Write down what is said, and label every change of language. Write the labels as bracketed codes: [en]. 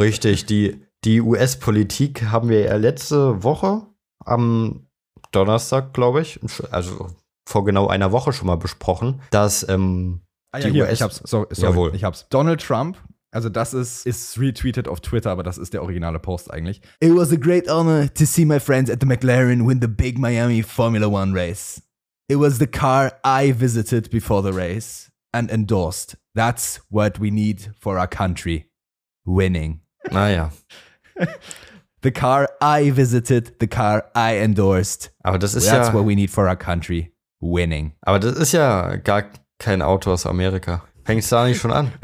[de] Richtig, die US-Politik haben wir ja letzte Woche am Donnerstag, glaube ich, also vor genau einer Woche schon mal besprochen, dass Ich hab's. Donald Trump, also das ist retweeted auf Twitter, aber das ist der originale Post eigentlich. [en] It was a great honor to see my friends at the McLaren win the big Miami Formula One race. It was the car I visited before the race and endorsed. That's what we need for our country. Winning. [de] Naja. [en] The car I visited, the car I endorsed. [de] Aber das ist [en] That's what we need for our country. Winning. [de] Aber das ist ja gar kein Auto aus Amerika. Fängt's da nicht schon an?